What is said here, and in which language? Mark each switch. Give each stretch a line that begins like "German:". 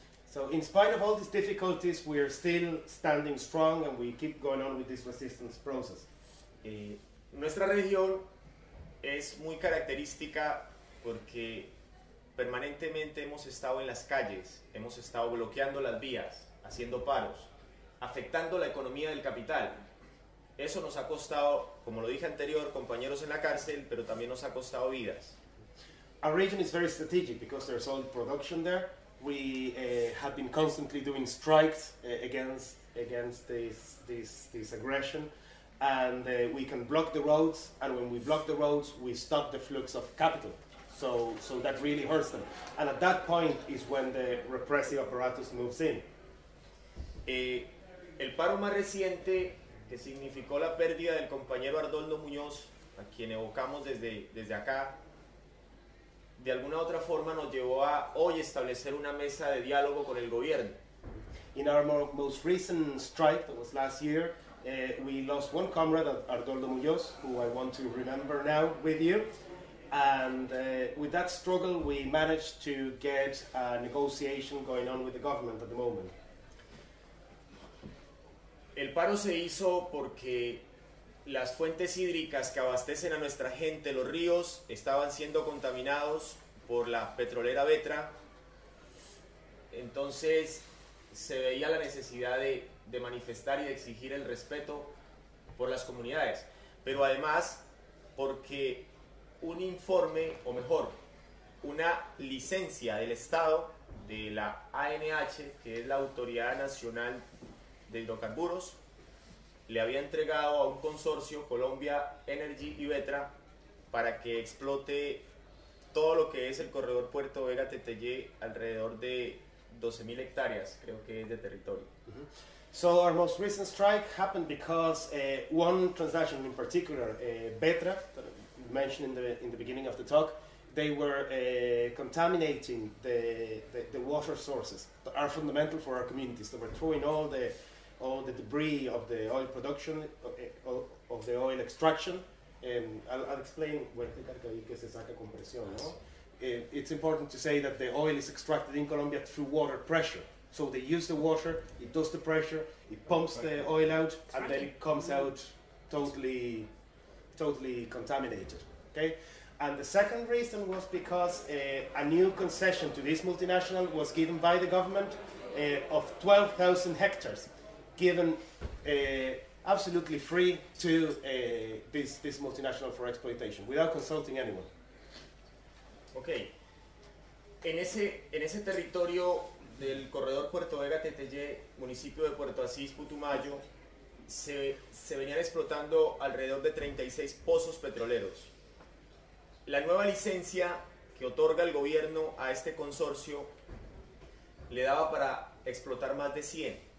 English: So in spite of all these difficulties, we are still standing strong and we keep going on with this resistance process.
Spanish: Nuestra región es muy característica porque permanentemente hemos estado en las calles, hemos estado bloqueando las vías, haciendo paros, afectando la economía del capital. Eso nos ha costado como lo dije anterior, compañeros en la cárcel, pero también nos ha costado vidas.
English: Our region is very strategic because there's oil production there. We have been constantly doing strikes against this aggression, and we can block the roads, and when we block the roads, we stop the flux of capital. So that really hurts them. And at that point is when the repressive apparatus moves in.
Spanish: El paro más reciente, que significó la pérdida del compañero Arnoldo Muñoz, a quien evocamos desde acá, de alguna otra forma nos llevó a hoy establecer una mesa de diálogo con el gobierno.
English: In our most recent strike, that was last year, we lost one comrade, Arnoldo Muñoz, who I want to remember now with you. And with that struggle, we managed to get a negotiation going on with the government at the moment.
Spanish: El paro se hizo porque las fuentes hídricas que abastecen a nuestra gente, los ríos, estaban siendo contaminados por la petrolera Vetra. Entonces, se veía la necesidad de manifestar y de exigir el respeto por las comunidades. Pero además, porque un informe, o mejor, una licencia del Estado, de la ANH, que es la Autoridad Nacional de Hidrocarburos, le había entregado a un consorcio, Colombia Energy y Vetra, para que explote todo lo que es el corredor Puerto Vega Tetelle, alrededor de 12,000 hectáreas, creo que es, de territorio.
English: So our most recent strike happened because one transaction in particular, Vetra, mentioned in the beginning of the talk, they were contaminating the water sources that are fundamental for our communities. They were throwing all the debris of the oil production, of the oil extraction. I'll explain where
Spanish: se saca compresión.
English: No? It's important to say that the oil is extracted in Colombia through water pressure. So they use the water, it does the pressure, it pumps the oil out, and then it comes out totally contaminated. Okay? And the second reason was because a new concession to this multinational was given by the government of 12,000 hectares, given absolutely free to this multinational for exploitation, without consulting anyone. Okay.
Spanish: En ese territorio del corredor Puerto Vega Tetelle, municipio de Puerto Asís, Putumayo, se venían explotando alrededor de 36 pozos petroleros. La nueva licencia que otorga el gobierno a este consorcio le daba para explotar más de 100.